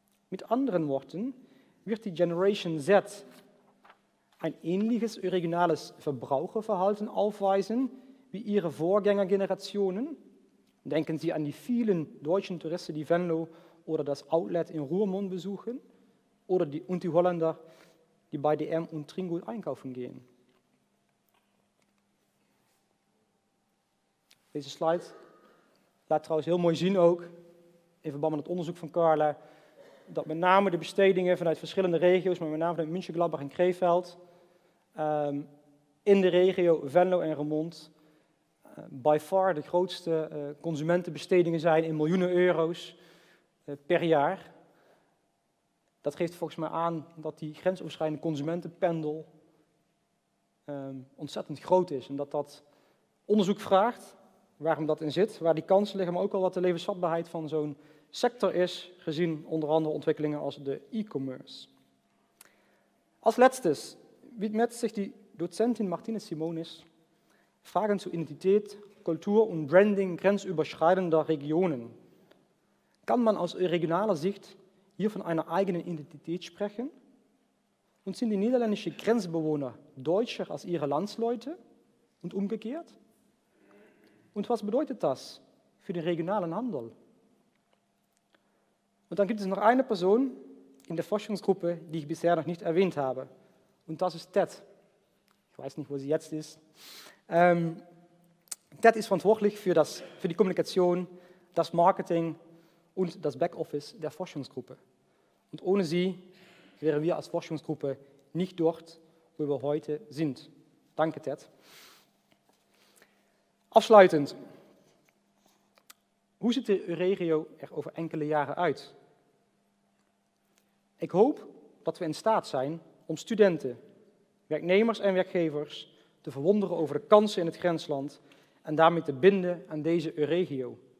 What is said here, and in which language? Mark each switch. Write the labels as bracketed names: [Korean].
[German] Mit anderen Worten wird die Generation Z ein ähnliches regionales Verbraucherverhalten aufweisen wie ihre Vorgängergenerationen. Denken Sie an die vielen deutschen Touristen, die Venlo oder das Outlet in Roermond besuchen, oder die Holländer, die bei DM und Tringo einkaufen gehen. [Dutch] Deze slide laat trouwens heel mooi zien ook, in verband met het onderzoek van Carla, dat met name de bestedingen vanuit verschillende regio's, maar met name vanuit München, Gladbach en Krefeld, in de regio Venlo en Roermond, [English] by far [Dutch] de grootste consumentenbestedingen zijn in miljoenen euro's per jaar. Dat geeft volgens mij aan dat die grensoverschrijdende consumentenpendel ontzettend groot is. En dat dat onderzoek vraagt waarom dat in zit, waar die kansen liggen, maar ook al wat de levensvatbaarheid van zo'n sector is, gezien onder andere ontwikkelingen als de e-commerce. Als laatstes [German] widmet zich die docentin [Dutch] Martine Simonis vragen zu identiteit, cultuur en branding grensoverschrijdende regionen. [German] Kan man aus regionaler Sicht hier von einer eigenen Identität sprechen? Und sind die niederländischen Grenzbewohner deutscher als ihre Landsleute und umgekehrt? Und was bedeutet das für den regionalen Handel? Und dann gibt es noch eine Person in der Forschungsgruppe, die ich bisher noch nicht erwähnt habe. Und das ist Ted. Ich weiß nicht, wo sie jetzt ist. Ted ist verantwortlich für die Kommunikation, das Marketing und das Backoffice der Forschungsgruppe. Und ohne sie wären wir als Forschungsgruppe nicht dort, wo wir heute sind. Danke, Ted. Abschließend: [Dutch] Hoe ziet de Euregio er over enkele jaren uit? Ik hoop dat we in staat zijn om studenten, werknemers en werkgevers te verwonderen over de kansen in het grensland en daarmee te binden aan deze Euregio.